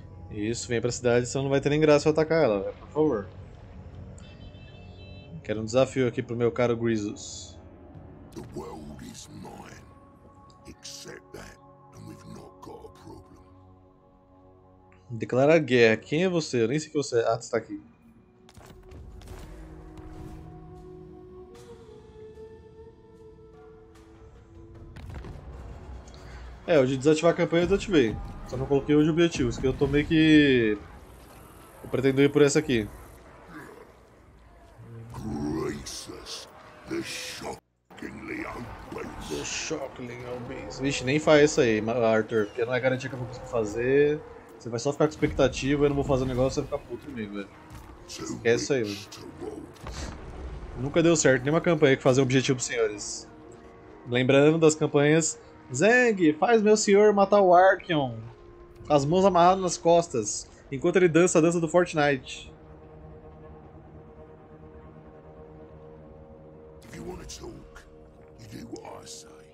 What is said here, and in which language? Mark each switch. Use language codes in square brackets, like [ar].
[pt] Isso, vem pra cidade, senão não vai ter nem graça eu atacar ela, véio. Por favor. Quero um desafio aqui pro meu caro Grisus. [en] The world is mine. Accept that, and we've not got a problem. [pt] Declarar guerra. Quem é você? Eu nem sei que você é. Ah, você tá aqui. É, o de desativar a campanha eu desativei. Só não coloquei hoje objetivos, que eu tô meio que... Eu pretendo ir por essa aqui. [en] Graças, the shockingly obese. The shockingly obese. [pt] Vixe, nem faz isso aí, Arthur, porque não é garantia que eu vou conseguir fazer. Você vai só ficar com expectativa, eu não vou fazer o negócio, você vai ficar puto comigo, velho. Esquece isso aí, velho. Nunca deu certo nenhuma campanha que fazer um objetivo pros senhores. Lembrando das campanhas... Zang, faz meu senhor matar o Archeon. As mãos amarradas nas costas, enquanto ele dança a dança do Fortnite. [en] If you wanna talk, you do what I say.